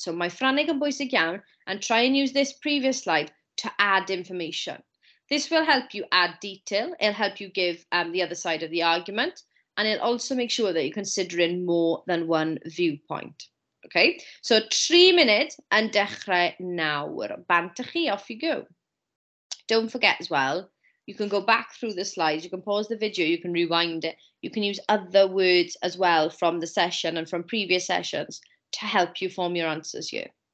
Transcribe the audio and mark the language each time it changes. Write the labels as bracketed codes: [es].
[en] So [cy] mae Ffrangeg yn bwysig iawn, [en] and try and use this previous slide to add information. This will help you add detail, it'll help you give the other side of the argument, and it'll also make sure that you're considering more than one viewpoint. [cy] Okay, so 3 munud yn dechrau nawr. Bantach chi, [en] off you go. Don't forget as well, you can go back through the slides, you can pause the video, you can rewind it, you can use other words as well from the session and from previous sessions to help you form your answers here.